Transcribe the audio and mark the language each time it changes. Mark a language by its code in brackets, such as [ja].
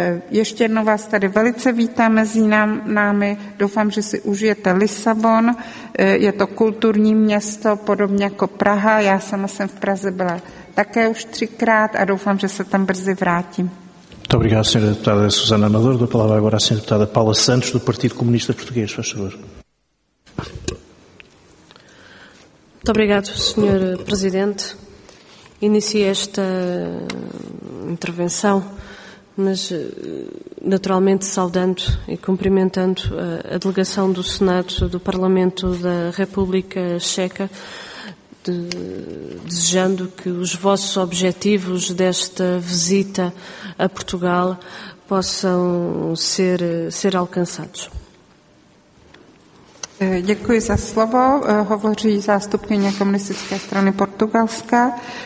[cs] Ještě jednou vás tady velice vítám mezi námi. Doufám, že si užijete Lisabon. Je to kulturní město, podobně jako Praha. Já sama jsem v Praze byla také už třikrát a doufám, že se tam brzy vrátím. Dobrý den, [pt] senhora deputada Susana Amador. Dou a palavra agora à senhora deputada Paula Santos, do Partido Comunista Português. Faz favor. Muito obrigado, Sr. Presidente. Iniciei esta intervenção, mas naturalmente saudando e cumprimentando a delegação do Senado do Parlamento da República Checa, desejando que os vossos objetivos desta visita a Portugal possam ser alcançados. [cs] Děkuji za slovo. Hovoří zástupkyně Komunistické strany Portugalska.